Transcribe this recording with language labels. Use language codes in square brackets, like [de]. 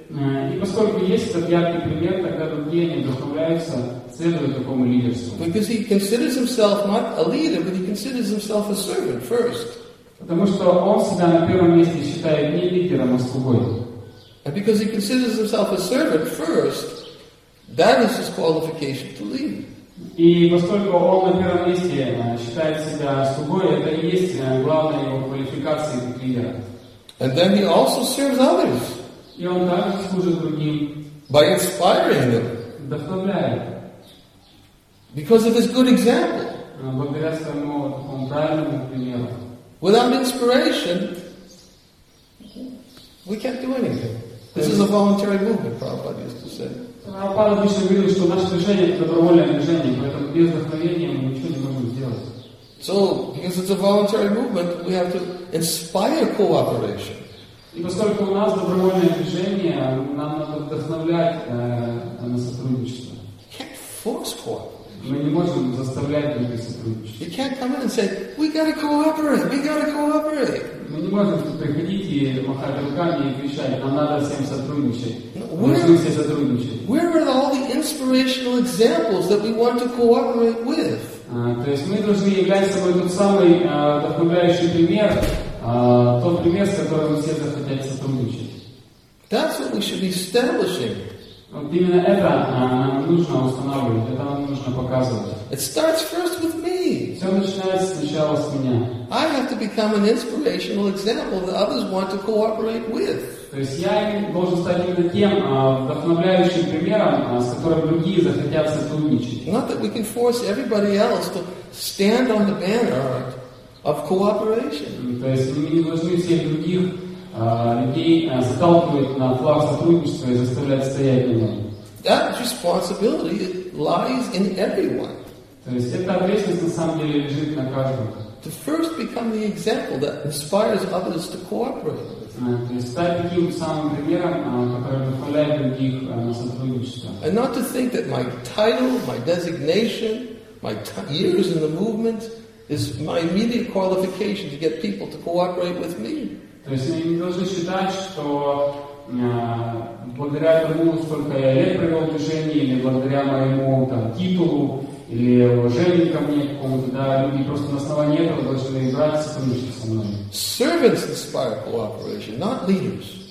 [ru] И поскольку есть этот яркий пример, тогда другие не вдохновляются следовать такому лидерству. [en] Because he considers himself not a leader, but he considers himself a servant first. [ru] Потому что он себя на первом месте считает не лидером, а слугой. [en] And because he considers himself a servant first, that is his qualification to lead. [ru] И поскольку он на первом месте считает себя слугой, это и есть главная его квалификация как лидера. [en] And then he also serves others. [ru] И он также служит другим. [en] By inspiring them. [ru] Вдохновляет. [en] Because of his good example. [ru] Благодаря своему правильному примеру. [en] Without inspiration, we can't do anything. This is a voluntary movement, Prabhupada used to say. [ru] Прабхупада обычно говорил, что наше движение это добровольное движение, поэтому без вдохновения мы ничего не можем сделать. [en] So, because it's a voluntary movement, we have to inspire cooperation. [ru] И поскольку у нас добровольное движение, нам надо вдохновлять на сотрудничество. [en] You can't force cooperation. [ru] Мы не можем заставлять других сотрудничать. [en] You can't come in and say, we gotta cooperate, we gotta cooperate. [ru] Мы не можем приходить и махать руками и кричать, нам надо всем сотрудничать. [en] Where, [ru] мы должны все сотрудничать. [en] Where are all the inspirational examples that we want to cooperate with? [ru] То есть мы должны являть собой тот самый вдохновляющий пример. Тот пример, с которым все захотят сотрудничать. [en] That's what we should be establishing. [ru] Вот именно это нам нужно устанавливать, это нам нужно показывать. [en] It starts first with me. [ru] Все начинается сначала с меня. [en] I have to become an inspirational example that others want to cooperate with. [ru] То есть я должен стать именно тем вдохновляющим примером, с которым другие захотят сотрудничать. [en] Not that we can force everybody else to stand on the banner of cooperation. [ru] То есть мы не должны всех других людей заталкивать на флаг сотрудничества и заставлять стоять на нем. [en] That responsibility lies in everyone. [ru] То есть эта ответственность на самом деле лежит на каждом. [en] To first become the example that inspires others to cooperate. [ru] То есть стать таким самым примером, который вдохновляет других на сотрудничество. [en] And not to think that my title, my designation, my years in the movement is my immediate qualification to get people to cooperate with me. [ru] То есть не должны считать, что благодаря тому, сколько я лет провел в движении, или благодаря моему там титулу или уважению ко мне какому-то, да, люди просто на основании этого должны брать сотрудничество со мной. [en] Servants inspire cooperation, not leaders.